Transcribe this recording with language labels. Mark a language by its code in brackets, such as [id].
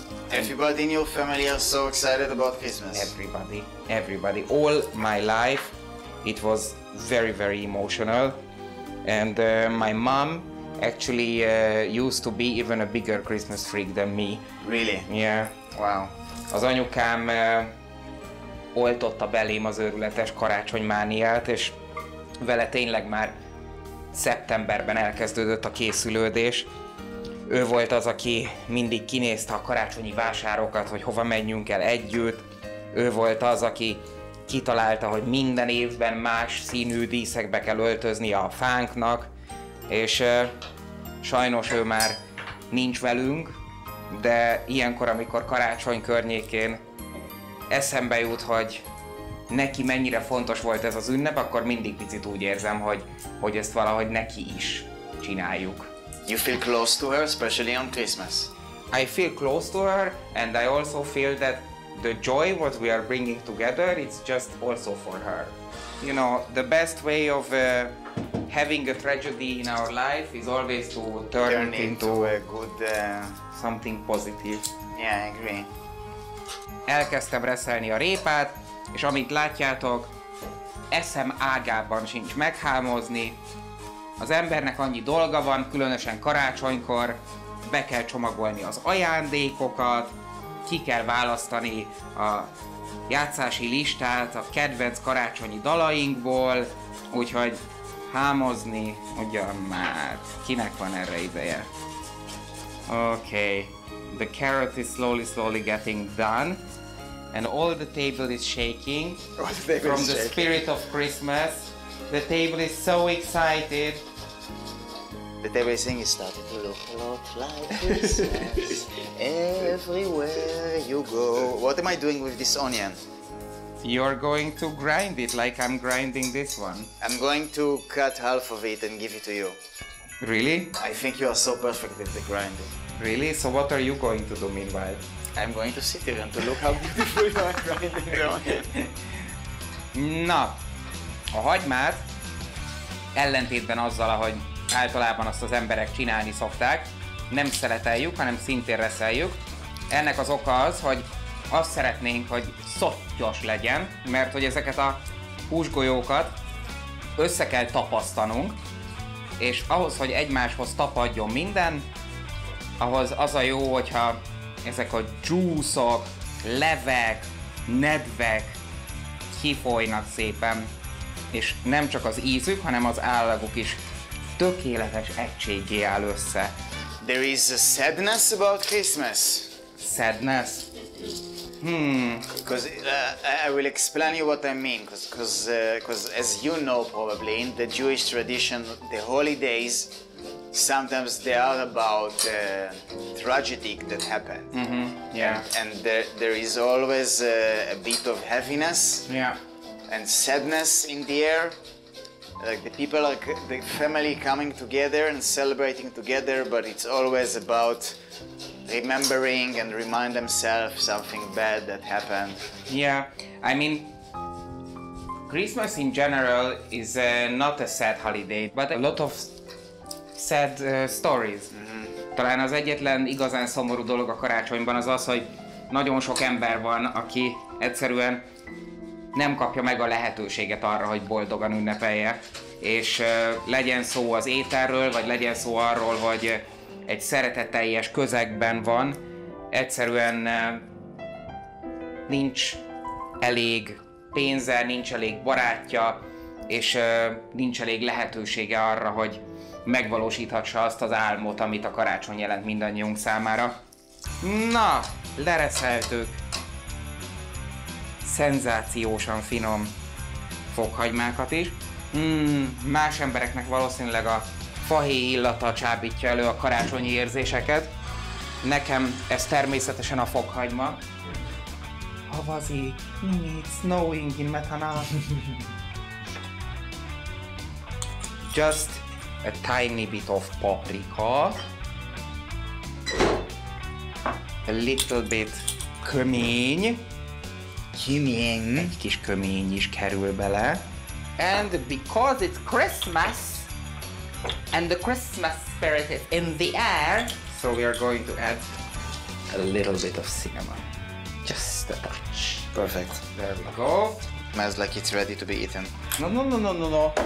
[en] Everybody in your family are so excited about Christmas. Everybody. All my life, it was very, very emotional, and my mom actually used to be even a bigger Christmas freak than me. Really? Yeah. Wow. [hu] Az anyukám oltotta belém az őrületes karácsonymániát, és vele tényleg már szeptemberben elkezdődött a készülődés. Ő volt az, aki mindig kinézte a karácsonyi vásárokat, hogy hova menjünk el együtt. Ő volt az, aki kitalálta, hogy minden évben más színű díszekbe kell öltözni a fánknak, és sajnos ő már nincs velünk, de ilyenkor, amikor karácsony környékén eszembe jut, hogy neki mennyire fontos volt ez az ünnep, akkor mindig picit úgy érzem, hogy ezt valahogy neki is csináljuk. [en] You feel close to her, especially on Christmas? I feel close to her, and I also feel that the joy what we are bringing together, it's just also for her. You know, the best way of having a tragedy in our life is always to turn it into a good something positive. Yeah, I agree. [hu] Elkezdtem reszelni a répát, és amint látjátok, eszem ágában sincs meghámozni. Az embernek annyi dolga van, különösen karácsonykor, be kell csomagolni az ajándékokat, ki kell választani a játszási listát a kedvenc karácsonyi dalainkból, úgyhogy hámozni ugyan már. Kinek van erre ideje? [en] Okay, the carrot is slowly getting done, and all the table is shaking from the spirit of Christmas. The table is so excited. The table thing is starting to look a lot like Christmas everywhere you go. What am I doing with this onion? You're going to grind it like I'm grinding this one. I'm going to cut half of it and give it to you. Really? I think you are so perfect with the grinding. Really? So what are you going to do meanwhile? I'm going to sit here and to look how beautiful you are grinding the onion. [hu] Na, a hagymát, ellentétben azzal, ahogy általában azt az emberek csinálni szokták, nem szeleteljük, hanem szintén reszeljük. Ennek az oka az, hogy azt szeretnénk, hogy szottyos legyen, mert hogy ezeket a húsgolyókat össze kell tapasztanunk, és ahhoz, hogy egymáshoz tapadjon minden, ahhoz az a jó, hogyha ezek a dzsúszok, levek, nedvek kifolynak szépen, és nem csak az ízük, hanem az állaguk is tökéletes egységgé áll össze. [en] There is a sadness about Christmas. Sadness? Because I will explain you what I mean. Because as you know probably, in the Jewish tradition, the holidays, sometimes they are about tragedy that happened. Mm-hmm. Yeah. And there is always a bit of heaviness. Yeah. And sadness in the air. Like the people are the family coming together and celebrating together, but it's always about remembering and remind themselves something bad that happened. Yeah, I mean, Christmas in general is not a sad holiday, but a lot of sad stories. Mm-hmm. [hu] Talán az egyetlen igazán szomorú dolog a karácsonyban az az, hogy nagyon sok ember van, aki egyszerűen nem kapja meg a lehetőséget arra, hogy boldogan ünnepelje. És legyen szó az ételről, vagy legyen szó arról, hogy egy szeretetteljes közegben van, egyszerűen nincs elég pénze, nincs elég barátja, és nincs elég lehetősége arra, hogy megvalósíthassa azt az álmot, amit a karácsony jelent mindannyiunk számára. Na, lereszeltük! Szenzációsan finom fokhagymákat is. Más embereknek valószínűleg a fahéj illata csábítja elő a karácsonyi érzéseket. Nekem ez természetesen a fokhagyma. Havazi, [en] it's snowing in Methana. Just a tiny bit of paprika. A little bit kömény. [hu] Kimény. Egy kis kömény is kerül bele. [en] And because it's Christmas, and the Christmas spirit is in the air, so we are going to add a little bit of cinnamon. Just a touch. Perfect. There we go. Smells like it's ready to be eaten. No.